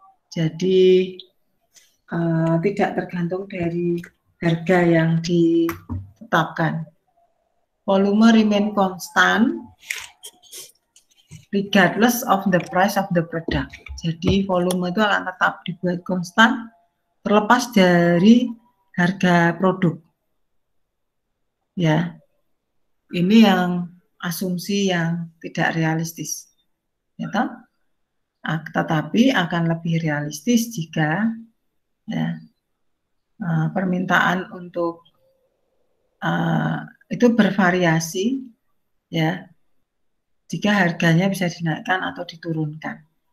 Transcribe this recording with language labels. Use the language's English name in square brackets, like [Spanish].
[Indonesian] Jadi tidak tergantung dari harga yang ditetapkan. [English] Volume remain constant regardless of the price of the product. [Indonesian] Jadi volume itu akan tetap dibuat konstan terlepas dari harga produk. Ya. Ini yang asumsi yang tidak realistis. Ya toh? Tetapi akan lebih realistis jika ya, permintaan untuk itu bervariasi ya, jika harganya bisa dinaikkan atau diturunkan.